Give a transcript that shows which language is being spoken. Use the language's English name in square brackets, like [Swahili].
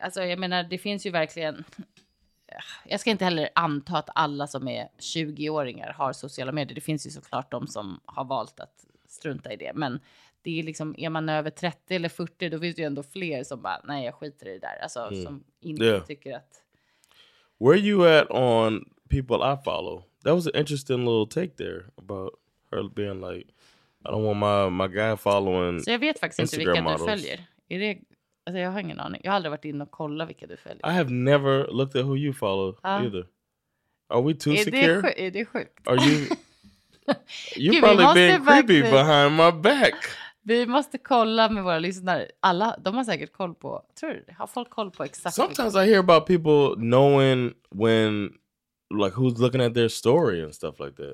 [Swedish] Alltså jag menar, det finns ju verkligen, jag ska inte heller anta att alla som är 20-åringar har sociala medier. Det finns ju såklart de som har valt att strunta i det, men det är liksom, är man över 30 eller 40, då finns det ju ändå fler som bara, nej jag skiter i det där. Alltså som inte tycker att... [English] Where you at on people I follow? That was an interesting little take there about her being like, I don't want my guy following. [Swedish] Så jag vet faktiskt inte vilka du följer. Är det, alltså jag har ingen aning. Jag har aldrig varit inne och kollat vilka du följer. [English] I have never looked at who you follow either. Are we too secure? [Swedish] Är det sjukt? [English] Are you... You probably being creepy behind my back. [Swedish] Vi måste kolla med våra lyssnare. Alla, de har säkert koll på, tror du, har folk koll på exakt. [English] Sometimes I hear about people knowing when, like, who's looking at their story and stuff like that.